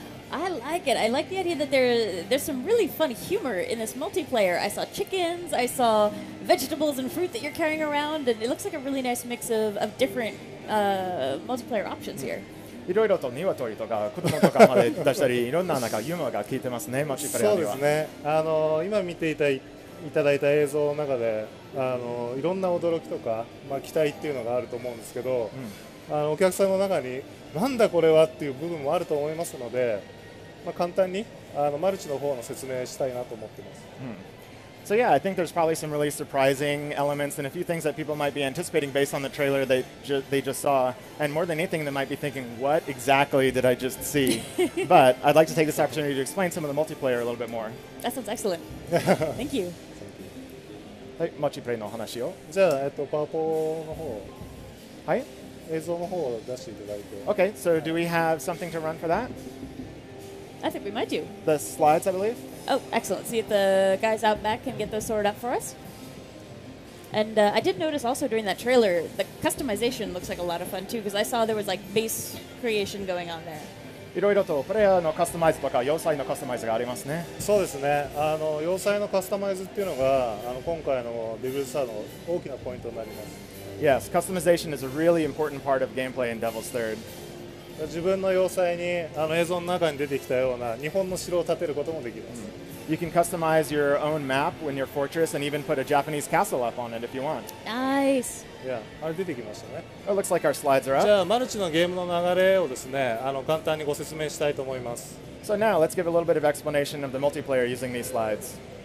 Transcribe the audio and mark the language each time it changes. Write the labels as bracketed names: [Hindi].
[English] I like it. I like the idea that there's some really fun humor in this multiplayer. I saw chickens, I saw vegetables and fruit that you're carrying around, and it looks like a really nice mix of different multiplayer options here. [Japanese] いろいろと鶏とか子供とかまで出したりいろんななんかユーモアが効いてますね、マッチプレイヤーには。そうですね。今見ていた、いただいた映像の中で、いろんな驚きとか、まあ、期待っていうのがあると思うんですけど、うん、お客さんの中になんだこれはっていう部分もあると思いますので、まあ、簡単にマルチの方の説明したいなと思っています。うん。 [English] So yeah, I think there's probably some really surprising elements and a few things that people might be anticipating based on the trailer that they just saw. And more than anything, they might be thinking, what exactly did I just see? But I'd like to take this opportunity to explain some of the multiplayer a little bit more. That sounds excellent. Thank you. [Japanese] はい、マッチプレイの話を。じゃあ、パワポの方。はい。映像の方を出していただいて。 [English] Okay, so do we have something to run for that? I think we might do. The slides, I believe? Oh, excellent. See if the guys out back can get those sorted up for us. And I did notice also during that trailer, the customization looks like a lot of fun too, because I saw there was like base creation going on there. [Japanese] いろいろとプレイヤーのカスタマイズとか要塞のカスタマイズがありますね。そうですね。要塞のカスタマイズっていうのが今回のディブルサーの大きなポイントになります。 [English] Yes, customization is a really important part of gameplay in Devil's Third. [Japanese] 自分の要塞に映像の中に出てきたような日本の城を建てることもできます。 Mm-hmm. [English] You can customize your own map in your fortress and even put a Japanese castle up on it if you want. Nice! [Japanese] Yeah, あれ出てきましたね。 [English] It looks like our slides are up. [Japanese] じゃあ、マルチのゲームの流れをですね、簡単にご説明したいと思います。 [English] So now, let's give a little bit of explanation of the multiplayer using these slides.